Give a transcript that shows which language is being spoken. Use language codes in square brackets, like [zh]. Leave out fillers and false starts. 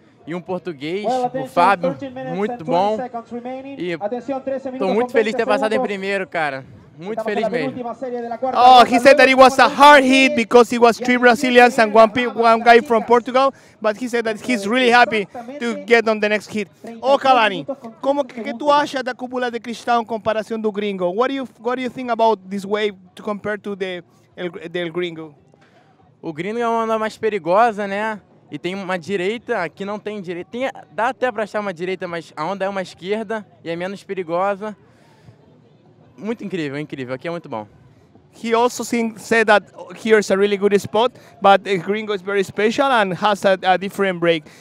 [pt] E português, o Fábio, muito bom. E estou muito feliz de ter passado em primeiro, cara. muito feliz mesmo. [en] Oh, he said that it was a hard hit because it was three Brazilians and one guy from Portugal, but he said that he's really happy to get on the next hit. [pt] Oh, Kalani, como que tu acha da cúpula de cristal em comparação do gringo? [en] What do you think about this wave to compare to the gringo? [pt] O gringo é uma onda mais perigosa, né? E tem uma direita, aqui não tem direita. Tem, dá até para achar uma direita, mas a onda é uma esquerda e é menos perigosa. Muito incrível, incrível. Aqui é muito bom. [en] He also said that here is a really good spot, but gringo is very special and has a different break.